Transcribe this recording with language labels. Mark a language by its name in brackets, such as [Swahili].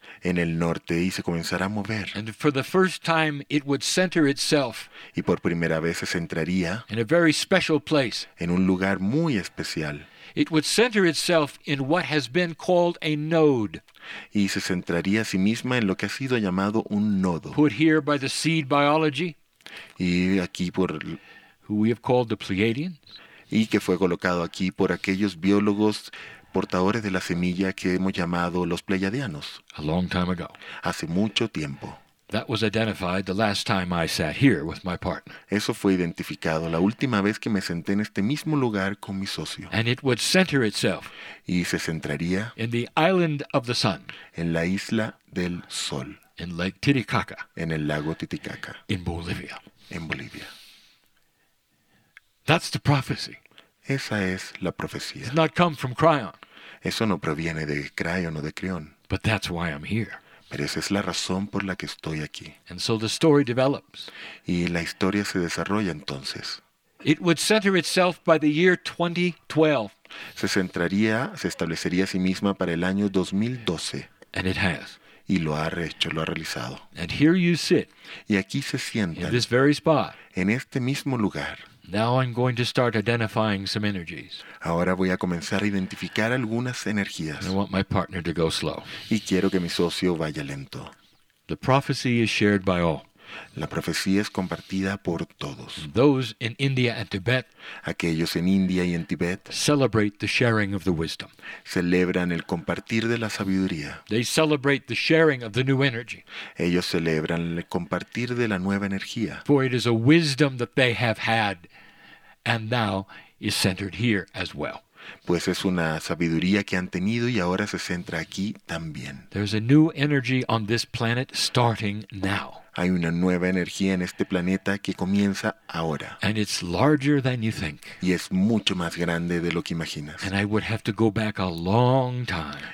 [Spanish] En el norte y se comenzará a mover. [English] And for the first time it would center itself. [Spanish] Y por primera vez se centraría [English] in a very special place. [Spanish] En un lugar muy especial. [English] It would center itself in what has been called a node. [Spanish] Y se centraría a sí misma en lo que ha sido llamado un nodo. [English] Put here by the seed biology. [Spanish] Y aquí por, [English] who we have called the Pleiadians, [Spanish] y que fue colocado aquí por aquellos biólogos portadores de la semilla que hemos llamado los Pleiadianos, [English] a long time ago, [Spanish] hace mucho tiempo. [English] That was identified the last time I sat here with my partner. [Spanish] Eso fue identificado la última vez que me senté en este mismo lugar con mi socio. [English] And it would center itself, [Spanish] y se centraría [English] in the island of the sun, [Spanish] en la isla del sol, [English] in Lake Titicaca, [Spanish] en el lago Titicaca, [English] in Bolivia, [Spanish] en Bolivia. [English] That's the prophecy. [Spanish] Esa es la profecía. [English] It's not come from Creon. [Spanish] Eso no proviene de Creon o de Creón. [English] But that's why I'm here. [Spanish] Pero esa es la razón por la que estoy aquí. [English] And so the story develops. [Spanish] Y la historia se desarrolla entonces. [English] It would center itself by the year 2012. [Spanish] Se centraría, se establecería a sí misma para el año 2012. [English] And it has. [Spanish] Y lo ha hecho, lo ha realizado. [English] And here you sit, [Spanish] y aquí se sientan, [English] in this very spot, [Spanish] en este mismo lugar. [English] Now I'm going to start identifying some energies. [Spanish] Ahora voy a comenzar a identificar algunas energías. [English] And I want my partner to go slow. [Spanish] Y quiero que mi socio vaya lento. [English] The prophecy is shared by all. [Spanish] La profecía es compartida por todos. [English] Those in India and Tibet, [Spanish] aquellos en India y en Tibet, [English] celebrate the sharing of the wisdom. [Spanish] Celebran el compartir de la sabiduría. [English] They celebrate the sharing of the new energy. [Spanish] Ellos celebran el compartir de la nueva energía. [English] For it is a wisdom that they have had and now is centered here as well. [Spanish] Pues es una sabiduría que han tenido y ahora se centra aquí también. [English] There's a new energy on this planet starting now. [Spanish] Hay una nueva energía en este planeta que comienza ahora. [English] And it's larger than you think. [Spanish] Y es mucho más grande de lo que imaginas. [English] And I would have to go back a long time.